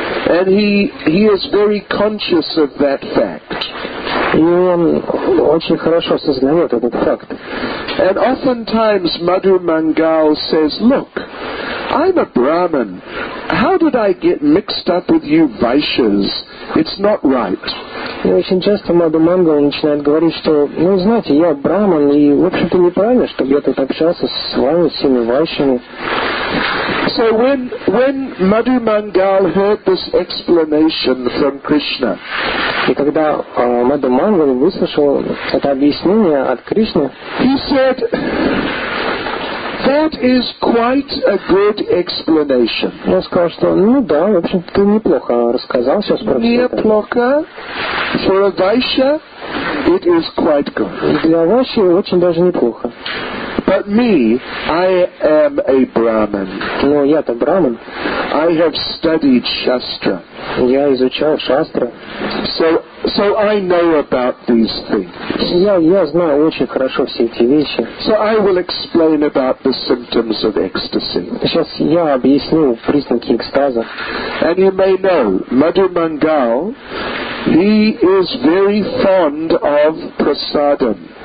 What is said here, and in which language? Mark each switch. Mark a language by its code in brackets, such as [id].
[en] And he is very conscious of that fact. [ru] И он очень хорошо осознает этот факт. [en] And oftentimes Madhu Mangal says, look, I'm a Brahmin. How did I get mixed up with you Vaishyas? It's not right. [ru] И очень часто Madhu Mangal начинает говорить, что, ну, знаете, я Брахман, и, в общем-то, неправильно, чтобы я тут общался с вами, с всеми Вайшами. [en] So when Madhu Mangal heard this explanation from Krishna, [ru] и когда Madhu Mangal выслушал это объяснение от Кришны, [en] he said, that is quite a good explanation. [ru] Он сказал, что, ну да, в общем-то, ты неплохо рассказал сейчас про это. Неплохо. [en] For a Vaishya, it is quite good. [ru] Для Вайши очень даже неплохо. [en] But me, I am a Brahmin. [ru] Но я-то Брахман. [en] I have studied Shastra. [ru] Я изучал Шастра. [en] So I know about these things. [ru] Я знаю очень хорошо все эти вещи. [en] So I will explain about the symptoms of ecstasy. [ru] Сейчас я объясню признаки экстаза. [en] And you may know, Madhu Mangal, he is very fond of prasadam.